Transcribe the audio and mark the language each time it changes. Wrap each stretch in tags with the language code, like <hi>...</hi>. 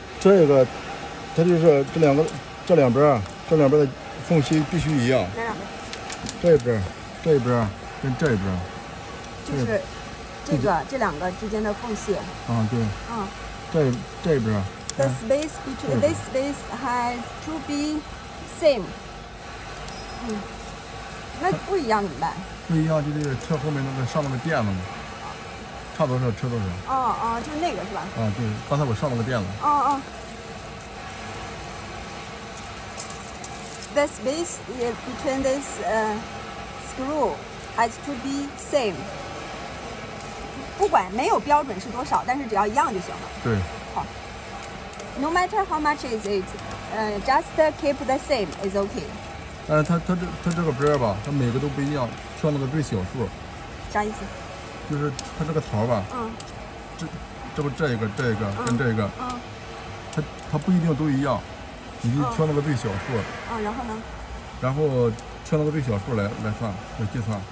<zh>这个它就是这两边的缝隙必须一样，这边跟这边，就是这两个之间的缝隙啊，对啊，这边</zh> <en>the space between this space has to be same。</en> <zh>那不一样怎么办？不一样就是车后面那个上面的垫子嘛，差多少车多少。哦哦，就那个是吧？啊，对，刚才我上了个电了。哦哦。</zh> <en>The space between this screw has to be same。</en> <zh>不管没有标准是多少，但是只要一样就行了。对。好。</zh> <en>No matter how much is it, just keep the same is okay。</en> <zh>它这个边吧，它每个都不一样，挑那个最小数。啥意思？就是它这个槽吧，这不这一个跟这个，它不一定都一样，你就挑那个最小数。然后呢？然后挑那个最小数来算，来计算。</zh>